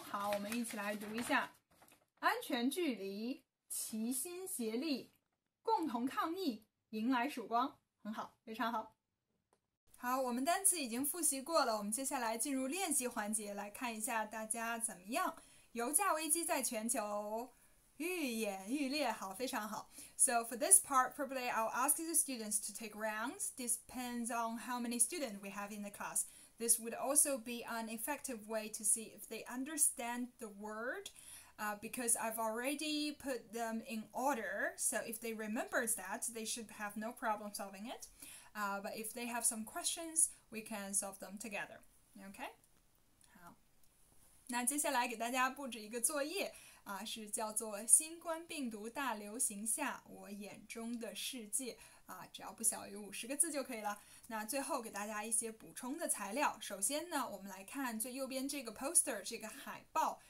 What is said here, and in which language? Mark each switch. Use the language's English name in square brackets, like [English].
[Chinese] 好，我们一起来读一下。安全距离，齐心协力，共同抗疫，迎来曙光，很好，非常好。好，我们单词已经复习过了，我们接下来进入练习环节，来看一下大家怎么样。油价危机在全球愈演愈烈，好，非常好。 [English] So for this part, probably I'll ask the students to take rounds. Depends on how many students we have in the class. This would also be an effective way to see if they understand the word. Because I've already put them in order, so if they remember that, they should have no problem solving it. But if they have some questions, we can solve them together. Okay? [Chinese] 好，那接下来给大家布置一个作业，是叫做《新冠病毒大流行下我眼中的世界》，只要不小于50个字就可以了。那最后给大家一些补充的材料。首先呢，我们来看最右边这个 poster, 这个海报。